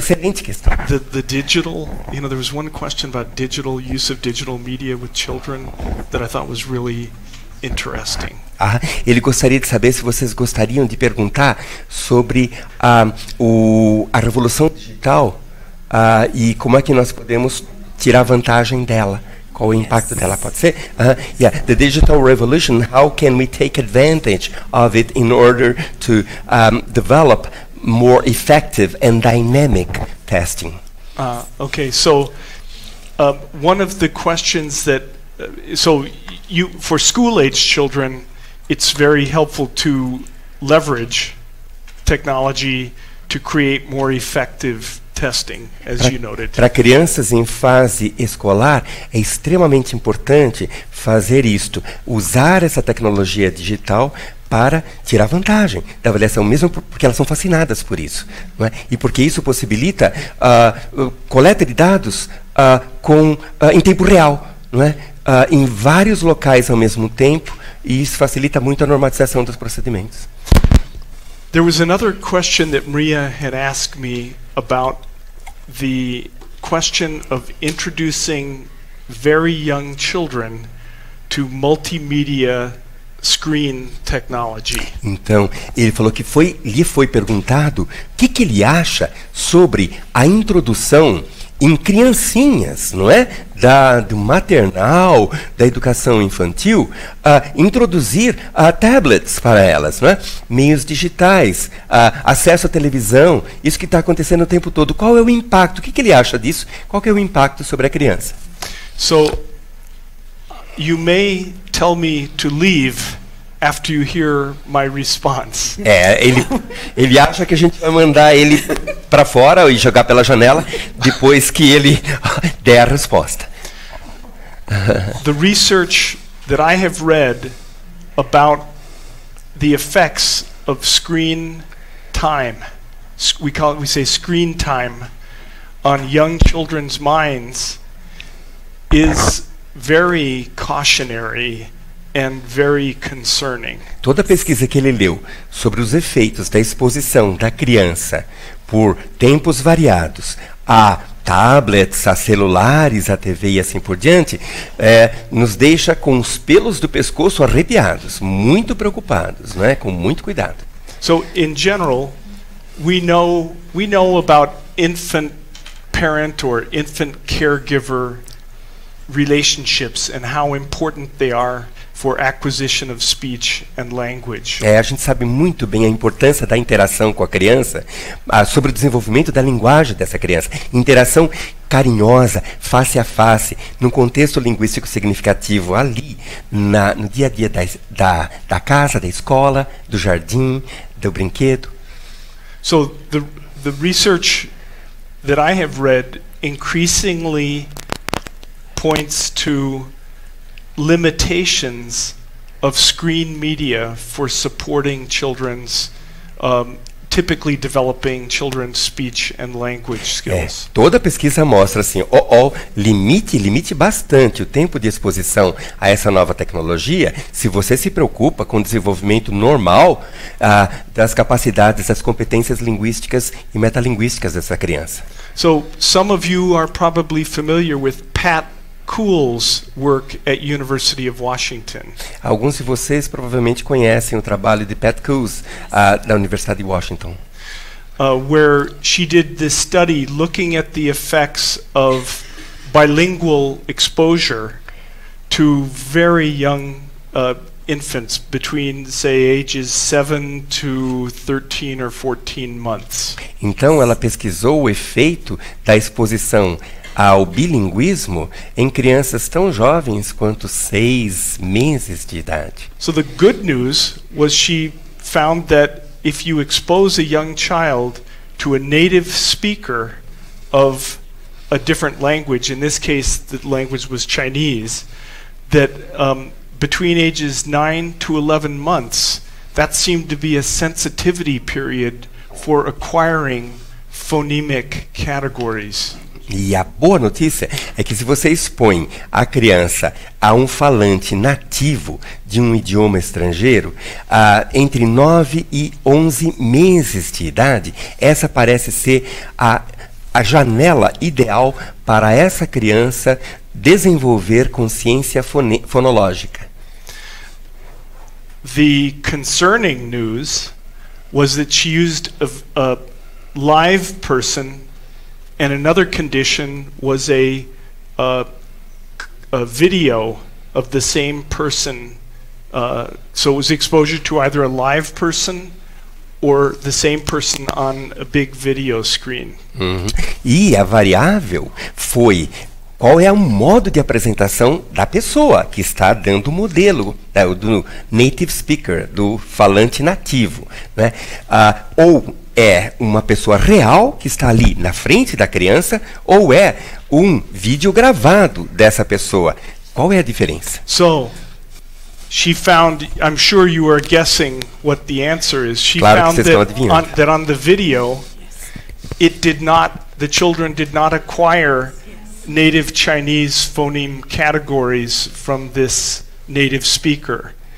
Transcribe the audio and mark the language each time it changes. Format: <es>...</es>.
<en>The digital, you know, there was one question about digital use of digital media with children that I thought was really interesting.</en> <pt>Ah, ele gostaria de saber se vocês gostariam de perguntar sobre a revolução digital e como é que nós podemos tirar vantagem dela. qual o impacto dela pode ser.</pt> <en>Yeah, the digital revolution, how can we take advantage of it in order to develop more effective and dynamic testing? Okay, so one of the questions that, so for school-age children, it's very helpful to leverage technology to create more effective testing, as</en> <pt>pra,</pt> <en>you noted.</en> <pt>Para crianças em fase escolar, é extremamente importante fazer isto, usar essa tecnologia digital para tirar vantagem da avaliação, mesmo porque elas são fascinadas por isso. Não é? E porque isso possibilita coleta de dados em tempo real, não é? Em vários locais ao mesmo tempo, e isso facilita muito a normatização dos procedimentos.</pt> <en>There was another question that Maria had asked me about the question of introducing very young children to multimedia screen technology.</en> <pt>Então, ele falou que foi, lhe foi perguntado o que, que ele acha sobre a introdução em criancinhas, não é? Do maternal, da educação infantil, introduzir tablets para elas, não é? Meios digitais, acesso à televisão, isso que está acontecendo o tempo todo. Qual é o impacto? O que, que ele acha disso? Qual que é o impacto sobre a criança?</pt> <en>So, you may tell me to leave after you hear my response.</en> <pt>É, ele acha que a gente vai mandar ele para fora e jogar pela janela depois que ele der a resposta.</pt> <en>The research that I have read about the effects of screen time, we say screen time, on young children's minds is very cautionary and very concerning.</en> <pt>Toda a pesquisa que ele leu sobre os efeitos da exposição da criança por tempos variados a tablets, a celulares, a TV e assim por diante, nos deixa com os pelos do pescoço arrepiados, muito preocupados, não é? Com muito cuidado.</pt> <en>So, in general, we know about infant parent or infant caregiver relationships and how important they are for acquisition of speech and language.</en> <pt>A gente sabe muito bem a importância da interação com a criança, sobre o desenvolvimento da linguagem dessa criança. Interação carinhosa, face a face, num contexto linguístico significativo, ali, no dia a dia da casa, da escola, do jardim, do brinquedo.</pt> <en>So, the research that I have read increasingly points to limitations of screen media for supporting children's typically developing children's speech and language skills.</en> <pt>Toda pesquisa mostra assim, limite bastante o tempo de exposição a essa nova tecnologia se você se preocupa com o desenvolvimento normal das capacidades, das competências linguísticas e metalinguísticas dessa criança.</pt> <en>So, some of you are probably familiar with Pat Cool's work at University of Washington.</en> <pt>Alguns de vocês provavelmente conhecem o trabalho de Pat Cool da Universidade de Washington.</pt> <en>Where she did this study looking at the effects of bilingual exposure to very young infants between, say, ages 7 to 13 or 14 months.</en> <pt>Então ela pesquisou o efeito da exposição ao bilinguismo em crianças tão jovens quanto 6 meses de idade.</pt> <en>So the good news was she found that if you expose a young child to a native speaker of a different language, in this case the language was Chinese, that between ages 9 to 11 months, that seemed to be a sensitivity period for acquiring phonemic categories.</en> <pt>E a boa notícia é que se você expõe a criança a um falante nativo de um idioma estrangeiro, entre 9 e 11 meses de idade, essa parece ser a janela ideal para essa criança desenvolver consciência fonológica.</pt> <en>The concerning news was that she used a live person. And another condition was a a video of the same person. So it was exposure to either a live person or the same person on a big video screen. Uhum.</en> <pt>E a variável foi qual é o modo de apresentação da pessoa que está dando o modelo, do native speaker, do falante nativo. Né? Ou é uma pessoa real que está ali na frente da criança, ou é um vídeo gravado dessa pessoa. Qual é a diferença?</pt> <en>So, she found, I'm sure you are guessing what the answer is. She</en> <pt>claro</pt> <en>found</en> <pt>que vocês estão adivinhando.</pt> <en>That on the video, it did not, the children did not acquire native Chinese phoneme categories from this native speaker.</en>